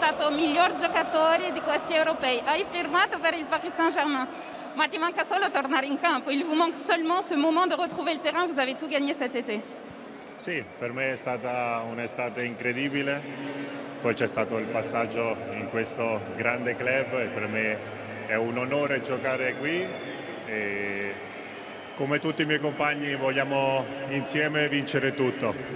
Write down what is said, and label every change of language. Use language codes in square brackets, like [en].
[it] Miglior giocatore di questi europei. Hai firmato per il Paris Saint-Germain, ma ti manca solo tornare in campo. [fr] Il vous manque seulement ce moment de retrouver le terrain. Vous avez tout gagné cet été. [it] Sì, per me è stata un'estate incredibile. Poi c'è stato il passaggio in questo grande club e per me è un onore giocare qui. E come tutti i miei compagni vogliamo insieme vincere tutto.